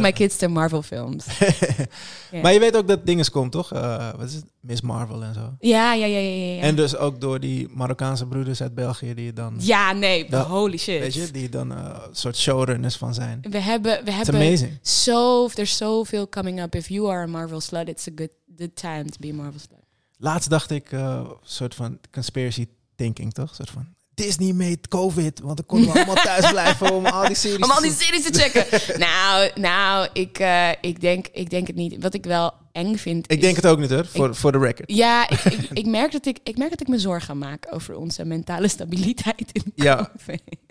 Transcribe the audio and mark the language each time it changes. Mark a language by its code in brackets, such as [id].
[en] my kids to Marvel films. Yeah. [nl] Maar je weet ook dat dinges komt, toch? Wat is het? Miss Marvel en zo. Ja, ja, ja, ja. En dus ook door die Marokkaanse broeders uit België die dan... Ja, nee, [en] holy shit. [nl] Weet je, die dan een soort showrunners van zijn. We hebben [en] it's amazing. So, there's [nl] so veel [en] coming up. If you are a Marvel slut, it's a good time to be a Marvel slut. [nl] Laatst dacht ik, soort van conspiracy thinking, toch? Soort van Disney [en] made COVID, [nl] want dan konden we allemaal thuis blijven om al die series, om al die series te checken. Nou, ik denk het niet. Wat ik wel eng vind. Ik denk het ook niet, hoor, voor de record. Ja, ik merk dat ik me zorgen maak over onze mentale stabiliteit in COVID.